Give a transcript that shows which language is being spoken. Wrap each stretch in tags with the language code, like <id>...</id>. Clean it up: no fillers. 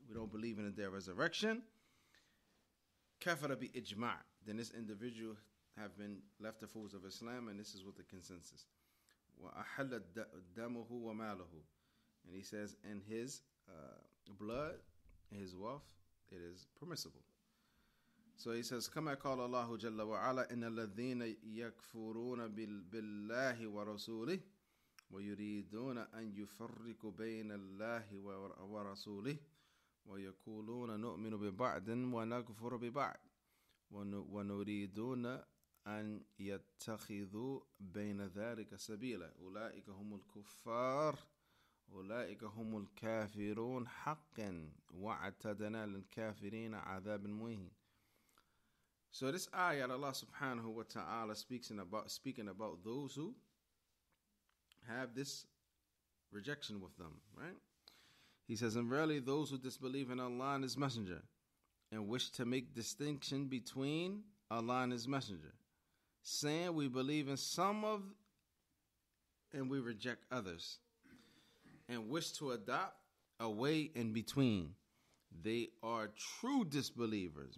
<en>We don't believe in their resurrection.</en> <ar>Kafara bi ijma'.</ar> <en>Then this individual have been left the fools of Islam, and this is what the consensus.</en> <ar>Wa ahalla damuhu wa maluhu.</ar> <en>And he says, in his blood, his wealth, it is permissible. So he says,</en> <ar>كما قال الله جل وعلا إن الذين يكفرون بالله ورسوله ويريدون أن يفرقوا بين الله ورسوله ويقولون نؤمن ببعض ونكفر ببعض ونريدون أن يتخذوا بين ذلك سبيلا أولئك هم الكفار أولئك هم الكافرون حقا وعتدنا للكافرين عذاب مهين.</ar> <en>So this ayat, Allah subhanahu wa ta'ala speaking about those who have this rejection with them, right? He says, and verily those who disbelieve in Allah and His Messenger and wish to make distinction between Allah and His Messenger, saying we believe in some of and we reject others, and wish to adopt a way in between, they are true disbelievers.</en>